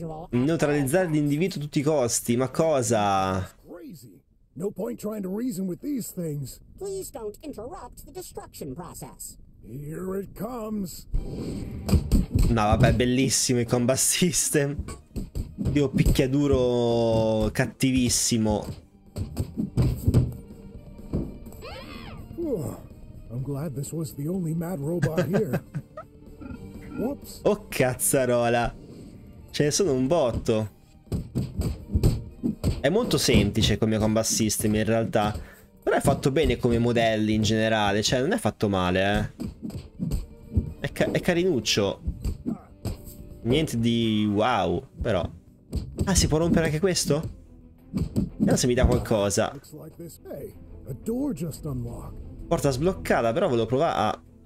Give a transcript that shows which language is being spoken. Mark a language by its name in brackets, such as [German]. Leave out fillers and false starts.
[Italian] Neutralizzare l'individuo a tutti i costi. Ma cosa? [English] Crazy. No point trying to reason with these things. Please don't interrupt the destruction process. Here it comes. [Italian] No, vabbè, bellissimo il combat system. Dio, picchiaduro cattivissimo. [English] I'm glad this was the only mad robot here. Whoops. [Italian] Oh cazzarola. Ce ne sono un botto. È molto semplice come combat system in realtà. Però è fatto bene come modelli in generale. Cioè non è fatto male, eh. È carinuccio. Niente di wow, però. Ah, si può rompere anche questo? Vediamo se mi dà qualcosa. [English] Hey, a door just unlocked. [Italian] Porta sbloccata, però volevo provare a...